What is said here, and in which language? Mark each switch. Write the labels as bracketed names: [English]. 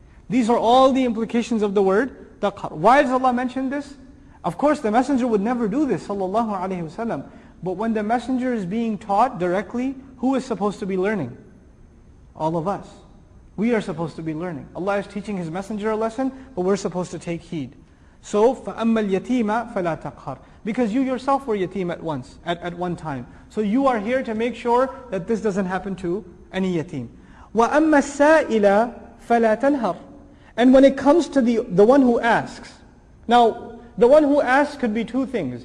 [English] These are all the implications of the word taqhar. Why does Allah mention this? Of course, the Messenger would never do this, sallallahu alayhi wa sallam. But when the Messenger is being taught directly, who is supposed to be learning? All of us. We are supposed to be learning. Allah is teaching His Messenger a lesson, but we're supposed to take heed. [Arabic] So, فَأَمَّا الْيَتِيمَ فَلَا تَقْهَرْ. [English] Because you yourself were yatim at once, at one time. So you are here to make sure that this doesn't happen to any yatim. [Arabic] وَأَمَّا السَّائِلَ فَلَا تَنْهَرْ. [English] And when it comes to the one who asks. Now, the one who asks could be two things.